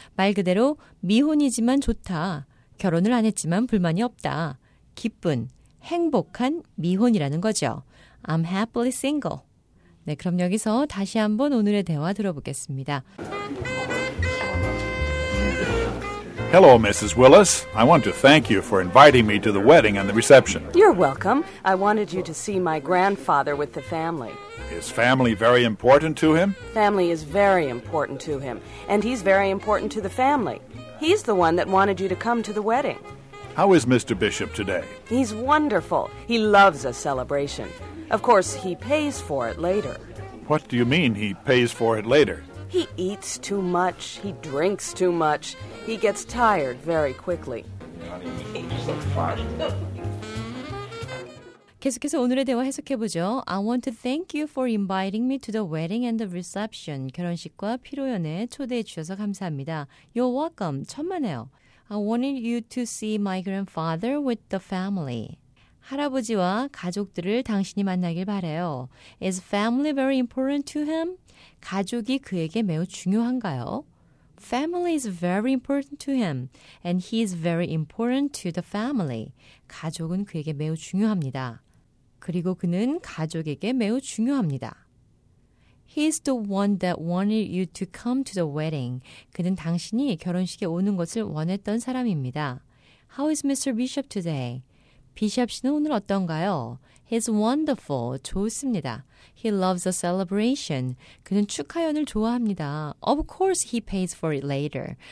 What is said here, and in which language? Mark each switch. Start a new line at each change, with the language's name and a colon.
Korean: 말 그대로 미혼이지만 좋다. 결혼을 안 했지만 불만이 없다. 기쁜, 행복한 미혼이라는 거죠.
English: I'm happily single.
Korean: 네, 그럼 여기서 다시 한번 오늘의 대화 들어보겠습니다.
English: Hello, Mrs. Willis. I want to thank you for inviting me to the wedding and the reception. You're welcome. I wanted you to see my grandfather with the family. Is family very important to him? Family is very important to him, and he's very important to the family. He's the one that wanted you to come to the wedding. How is Mr. Bishop today? He's wonderful. He loves a celebration. Of course, he pays for it later. What do you mean he pays for it later? He eats too much. He drinks too much. He gets tired very quickly.
Korean: 계속해서 오늘의 대화 해석해보죠.
English: I want to thank you for inviting me to the wedding and the reception.
Korean: 결혼식과 피로연에 초대해 주셔서 감사합니다.
English: You're welcome.
Korean: 천만에요.
English: I wanted you to see my grandfather with the family.
Korean: 할아버지와 가족들을 당신이 만나길 바래요.
English: Is family very important to him?
Korean: 가족이 그에게 매우 중요한가요?
English: Family is very important to him, and he is very important to the family.
Korean: 가족은 그에게 매우 중요합니다. 그리고 그는 가족에게 매우 중요합니다.
English: He is the one that wanted you to come to the wedding.
Korean: 그는 당신이 결혼식에 오는 것을 원했던 사람입니다.
English: How is Mr. Bishop today?
Korean: 비숍 씨는 오늘 어떤가요?
English: He's wonderful.
Korean: 좋습니다.
English: He loves a celebration.
Korean: 그는 축하연을 좋아합니다.
English: Of course he pays for it later.